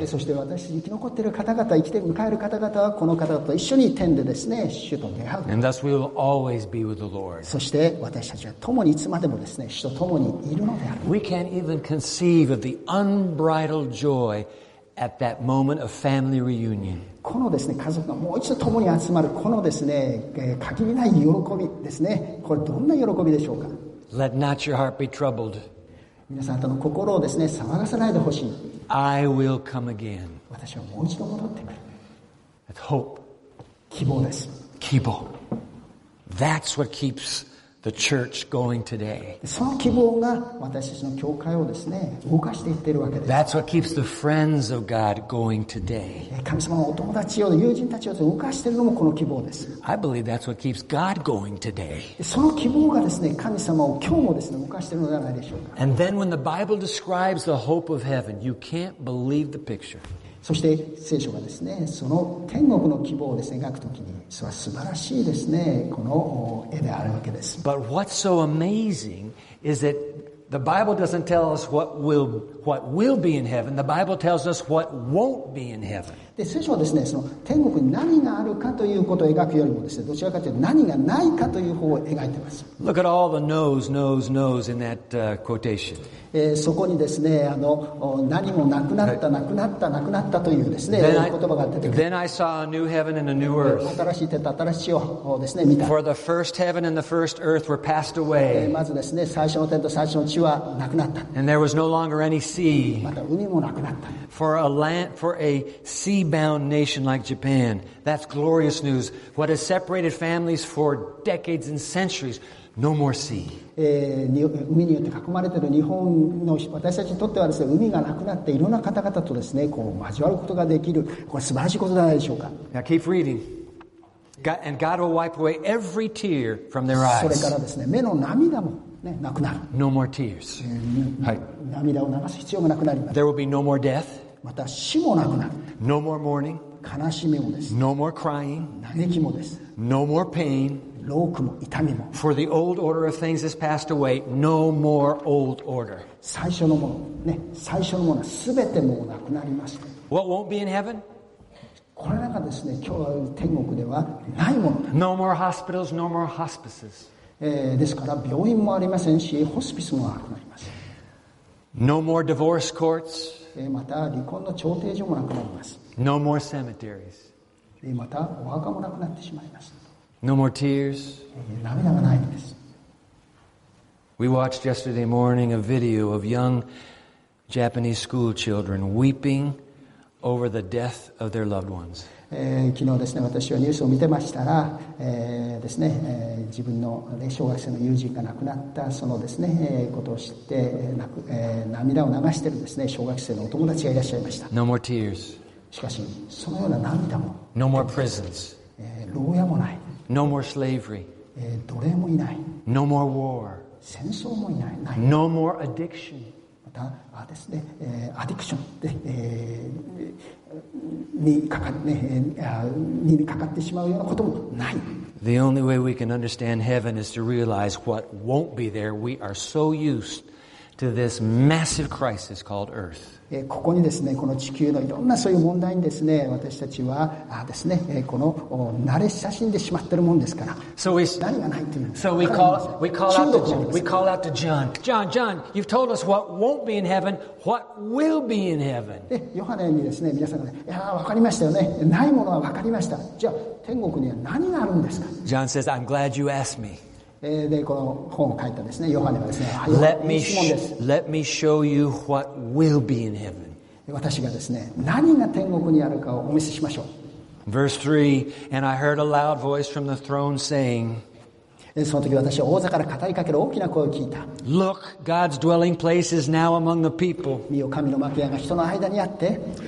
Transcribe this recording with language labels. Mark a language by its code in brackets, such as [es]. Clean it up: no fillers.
[en] And thus we will always be with the Lord. We can't even conceive of the unbridled joy at that moment of family reunion. [ja] このですね、家族がもう一度共に集まるこのですね、限りない喜びですね。これどんな喜びでしょうか。 [en] Let not your heart be troubled. [ja] 皆さんとの心をですね、騒がさないでほしい。 [en] I will come again. [ja] 私はもう一度戻ってくる。 [en] That's hope. [ja] 希望です。 [en] 希望。That's what keeps the church going today. [ja] その希望が私たちの教会をですね、動かしていっているわけです。 [en] That's what keeps the friends of God going today. [ja] 神様のお友達を、友人たちを動かしているのもこの希望です。 [en] I believe that's what keeps God going today. [ja] その希望がですね、神様を今日もですね、動かしているのではないでしょうか。 [en] And then when the Bible describes the hope of heaven, you can't believe the picture. [ja] そして聖書がですね、その天国の希望をですね、描くときに、それは素晴らしいですね、この絵であるわけです。 [en] But what's so amazing is that the Bible doesn't tell us what will be in heaven. The Bible tells us what won't be in heaven. [ja] で、聖書はですね、その天国に何があるかということを描くよりもですね、どちらかというと何がないかという方を描いています。 [en] Look at all the no's, no's, no's in that quotation. [ja] そこにですね、何もなくなった、なくなった、なくなったというですね、言葉が出てくる。 [en] Then I saw a new heaven and a new earth. [ja] 新しい天と新しい地をですね、見た。 [en] For the first heaven and the first earth were passed away. [ja] まずですね、最初の天と最初の地はなくなった。 [en] And there was no longer any sea. [ja] また海もなくなった。 [en] For a sea-bound nation like Japan, that's glorious news. What has separated families for decades and centuries, no more sea. [ja] 海によって囲まれている日本の私たちにとってはですね、海がなくなっていろんな方々とですね、こう交わることができる、これ素晴らしいことじゃないでしょうか。 [en] Now keep reading. And God will wipe away every tear from their eyes. [ja] それからですね、目の涙も、ね、なくなる。 [en] No more tears. [ja] 涙を流す必要もなくなります。 [en] There will be no more death. [ja] また死もなくなる。 [en] No more mourning. [ja] 悲しみもです。 [en] No more crying. [ja] 嘆きもです。 [en] No more pain. [ja] 老苦も痛みも。 [en] For the old order of things has passed away, no more old order. [ja] 最初のもの、ね、最初のものすべてもうなくなりました。 [en] What won't be in heaven? [ja] これらがですね、今日天国ではないものだ。 [en] No more hospitals, no more hospices. [ja] ですから病院もありませんし、ホスピスもなくなります。 [en] No more divorce courts. [ja] また離婚の調停所もなくなります。 [en] No more cemeteries. [ja] またお墓もなくなってしまいます。 [en] No more tears. [ja] 涙がないんです。 [en] We watched yesterday morning a video of young Japanese school children weeping over the death of their loved ones. [ja] 昨日ですね、私はニュースを見てましたら、ですね、自分の、ね、小学生の友人が亡くなったそのですね、ことを知って、涙を流しているですね、小学生のお友達がいらっしゃいました。 [en] No more tears. [ja] しかし、そのような涙も。 [en] No more prisons. [ja] 牢屋もない。 [en] No more slavery. [ja] 奴隷もいない。 [en] No more war. [ja] 戦争もいない。ない。 [en] No more addiction. [ja] またあですね、アディクションで、にかかね、にかかってしまうようなこともない。 [en] The only way we can understand heaven is to realize what won't be there. We are so used to this massive crisis called earth. [ja] ここにですね、この地球のいろんなそういう問題にですね、私たちはですね、この慣れ親しんでしまってるもんですから。 [en] So we, [ja] 何がないというの。 [en] So we call out to John. John, John, you've told us what won't be in heaven, what will be in heaven? [ja] ヨハネにですね、皆さんがね、いやー、わかりましたよね。ないものはわかりました。じゃあ、天国には何があるんですか。 [en] John says, I'm glad you asked me. [ja] でこの本を書いたですね、ヨハネはですね、 [en] Let me show you what will be in heaven. [ja] 私がですね、何が天国にあるかをお見せしましょう。 [en] Verse 3, and I heard a loud voice from the throne saying, [ja] その時私は王座から語りかける大きな声を聞いた。 [en] Look, God's dwelling place is now among the people. [ja] 見よ、神の幕屋が人の間にあって。